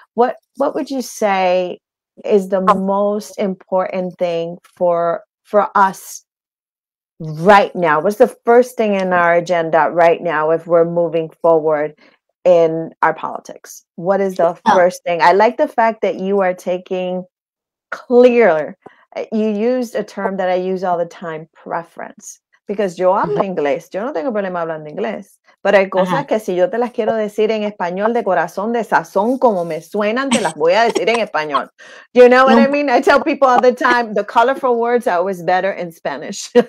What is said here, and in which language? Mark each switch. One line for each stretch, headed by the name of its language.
English: What would you say is the most important thing for us right now? What's the first thing in our agenda right now if we're moving forward in our politics? What is the first thing? I like the fact that you are taking clear, you used a term that I use all the time, preference.
Spanish: Because yo hablo inglés, yo no tengo problema hablando inglés, pero hay cosas que si yo te las quiero decir en español de corazón, de sazón, como me suenan, te las voy a decir en español.
English: You know what I mean? I tell people all the time, the colorful words are always better in Spanish.